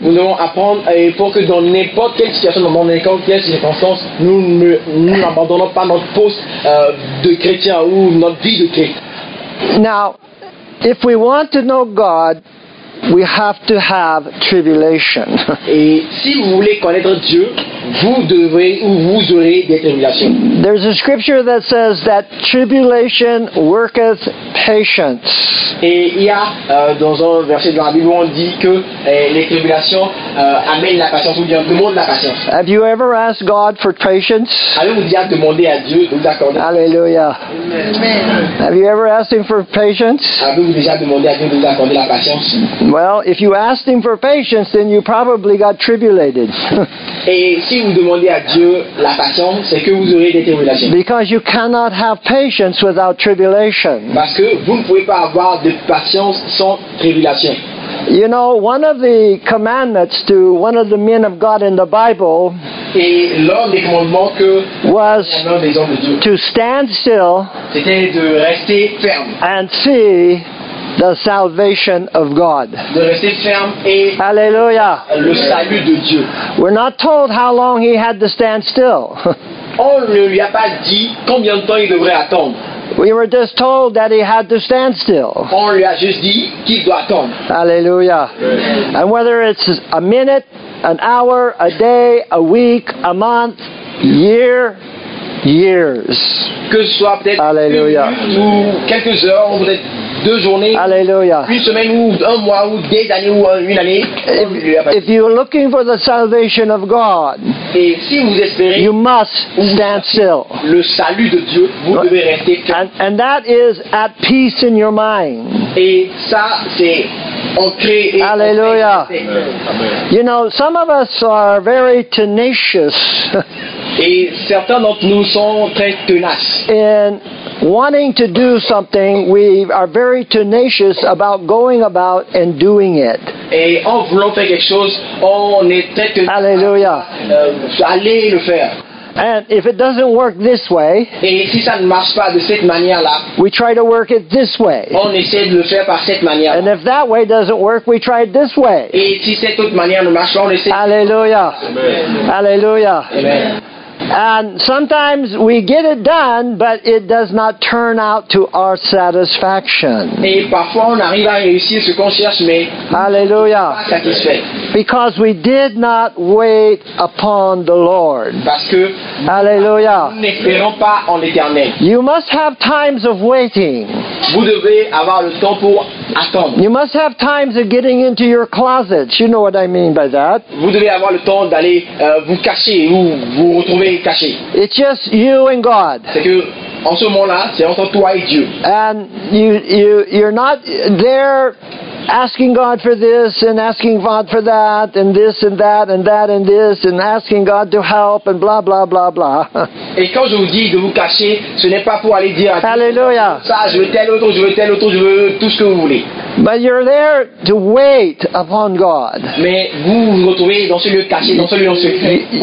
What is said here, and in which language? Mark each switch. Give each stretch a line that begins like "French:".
French: Nous devons apprendre pour que dans n'importe quelle situation, dans n'importe quelle circonstance, nous n'abandonnons pas notre poste de chrétien ou notre vie de chrétien.
English: Now, if we want to know God, we have to have tribulation.
French: Et si vous voulez connaître Dieu, vous devrez ou vous aurez des tribulations.
English: There's a scripture that says that tribulation worketh patience.
French: Et il y a dans un verset de la Bible où on dit que les tribulations amènent la patience ou bien demandent la patience.
English: Have you ever asked God for patience?
French: Avez-vous déjà demandé à Dieu de vous accorder? Alléluia. Amen.
English: Have you ever asked Him for patience?
French: Avez-vous déjà demandé à Dieu de vous accorder la patience?
English: Well, if you asked Him for patience, then you probably got tribulated.
French: Et si vous demandez à Dieu la patience, c'est que vous aurez des tribulations.
English: Because you cannot have patience without tribulation.
French: Parce que vous ne pouvez pas avoir de patience sans tribulation.
English: You know, one of the commandments to one of the men of God in the Bible
French: et l'un des commandements que
English: was
French: l'un des hommes de Dieu,
English: to stand still,
French: c'était de rester ferme,
English: and see the salvation of God.
French: De rester ferme et hallelujah. Le salut de Dieu.
English: We're not told how long he had to stand still.
French: On ne lui a pas dit combien de temps il devrait attendre.
English: We were just told that he had to stand still.
French: On lui a juste dit qu'il doit attendre. Hallelujah. Amen.
English: And whether it's a minute, an hour, a day, a week, a month, year, years.
French: Que ce soit peut-être hallelujah. Une minute, ou quelques heures, ou peut-être deux journées, hallelujah. Une semaine, ou un mois, ou des années, ou une année.
English: If you're looking for the salvation of God,
French: et si vous espérez,
English: you must stand still.
French: Le salut de Dieu, vous devez rester calme.
English: And that is at peace in your mind.
French: Et ça, c'est ancré et hallelujah.
English: You know, some of us are very tenacious.
French: Et certains d'entre nous sont très tenaces.
English: In wanting to do something, we are very tenacious about going about and doing it.
French: Et en voulant faire quelque chose, on est très tenace. Hallelujah. Aller le faire.
English: And if it doesn't work this way,
French: et si ça ne marche pas de cette manière-là,
English: we try to work it this way.
French: On essaie de le faire par cette manière-là.
English: And if that way doesn't work, we try it this way.
French: Et si cette autre manière ne marche pas, on essaie. Alléluia. Alléluia.
English: And sometimes we get it done, but it does not turn out to our satisfaction.
French: Et parfois on arrive à réussir ce qu'on cherche, mais hallelujah. Pas satisfait.
English: Because we did not wait upon the Lord.
French: Parce que hallelujah. Nous n'espérons pas en l'Éternel.
English: You must have times of waiting.
French: Vous devez avoir le temps pour attendre.
English: You must have times of getting into your closets. You know what I mean by that.
French: Vous devez avoir le temps d'aller vous cacher ou vous retrouver.
English: It's just you and God.
French: C'est que en ce moment-là, c'est entre toi et Dieu.
English: And you're not there asking God for this and asking God for that and this and that and that and this and asking God to help and blah blah blah blah.
French: Et quand je vous dis de vous cacher, ce n'est pas pour aller dire hallelujah. Ça, je veux tel autre, je veux tel autre, je veux tout ce que vous voulez.
English: But you're there to wait upon God.
French: Mais vous vous retrouvez dans ce lieu caché, dans ce lieu secret.